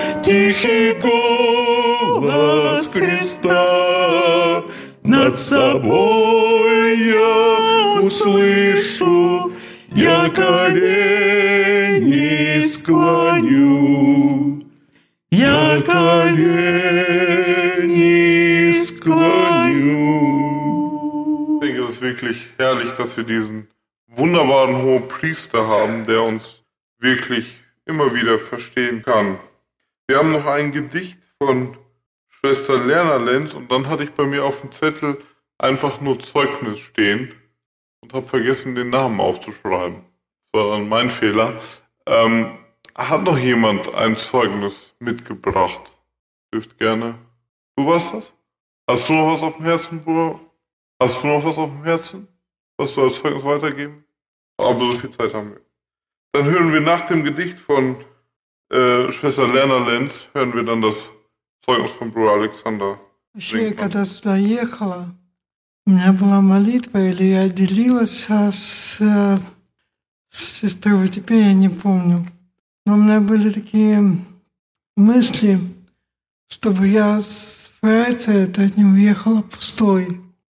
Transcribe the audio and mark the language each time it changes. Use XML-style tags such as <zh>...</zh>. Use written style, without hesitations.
<ru>тихий голос Христа над собой я услышу, я колени склоню, я колени склоню.</ru> <de>Es ist wirklich herrlich, dass wir diesen wunderbaren Hohepriester haben, der uns wirklich immer wieder verstehen kann. Wir haben noch ein Gedicht von Schwester Lerna Lenz und dann hatte ich bei mir auf dem Zettel einfach nur Zeugnis stehen und habe vergessen, den Namen aufzuschreiben. Das war dann mein Fehler. Hat noch jemand ein Zeugnis mitgebracht? Dürft gerne. Du warst das? Hast du noch was auf dem Herzen, Bruder? Hast du noch was auf dem Herzen, was du als Zeugnis weitergeben? Aber so viel Zeit haben wir. Dann hören wir nach dem Gedicht von Schwester Lerna Lenz, hören wir dann das Zeugnis von Bruder Alexander. Ich bin,</de> <ru>когда сюда ехала, у меня была молитва, или я делилась с сестрой, теперь я не помню. Но у меня были такие мысли, чтобы я с Фрайца не уехала пустой.</ru>